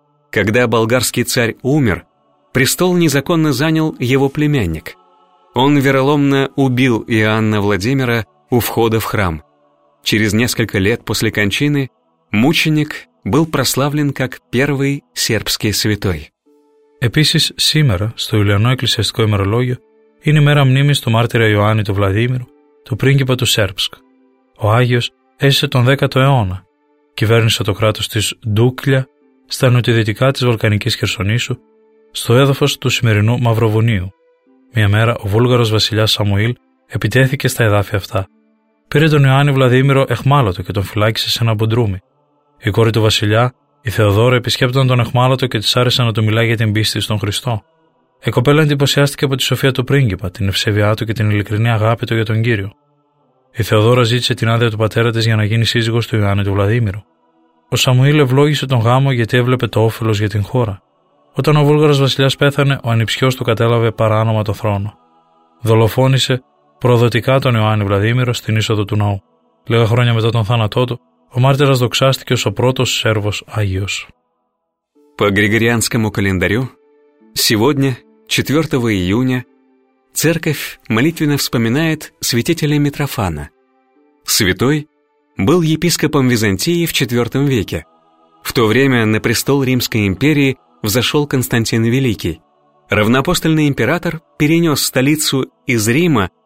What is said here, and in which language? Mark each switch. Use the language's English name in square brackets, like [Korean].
[Russian] Когда болгарский царь умер, престол незаконно занял его племянник. Он вероломно убил Иоанна Владимира у входа в храм. Через несколько лет после кончины мученик был прославлен как первый сербский святой. [Greek] Επίσης, σήμερα, στο Ιουλιανό Εκκλησιαστικό ημερολόγιο, είναι η μέρα μνήμης του μάρτυρα Ιωάννη του Βλαδίμηρου, του πρίγκιπα του Σέρπσκ. Ο Άγιος έζησε τον 10ο αιώνα, κυβέρνησε το κράτος της Ντούκλια, στα νοτιοδυτικά της Βαλκανικής Χερσονήσου, στο έδαφος του σημερινού Μαυροβουνίου. Μια μέρα, ο Βούλγαρος βασιλιάς Σαμουήλ επιτέθηκε στα εδάφια αυτά. Πήρε τον Ιωάννη Βλαδίμηρο εχμάλωτο και τον φυλάκισε σε ένα μπουντρούμι. Η κόρη του βασιλιά, η Θεοδόρα, επισκέπτονταν τον εχμάλωτο και της άρεσε να του μιλά για την πίστη στον Χριστό. Η κοπέλα εντυπωσιάστηκε από τη σοφία του πρίγκιπα, την ευσέβειά του και την ειλικρινή αγάπη του για τον Κύριο. Η Θεοδόρα ζήτησε την άδεια του πατέρα της για να γίνει σύζυγος του Ιωάννη του Βλαδίμηρου. Ο Σαμουήλ ευλόγησε τον γάμο γιατί έβλεπε το όφελος για την χώρα. Όταν ο Βούλγαρος βασιλιάς πέθανε, ο ανιψιός του κατέλαβε παράνομα το θρόνο. Δολοφόνησε προδοτικά τον Ιωάννη Βλαδίμηρο στην είσοδο του ναού. Λίγα χρόνια μετά τον θάνατό του, ο μάρτυρας δοξάστηκε ως ο πρώτος Σέρβος Άγιος. [Russian] По григорианскому календарю, сегодня, 4 июня, церковь молитвенно вспоминает святителя Митрофана. Святой был епископом Византии в IV веке. В то время на престол Римской империи взошел Константин Великий. Равноапостольный император перенес столицу из Рима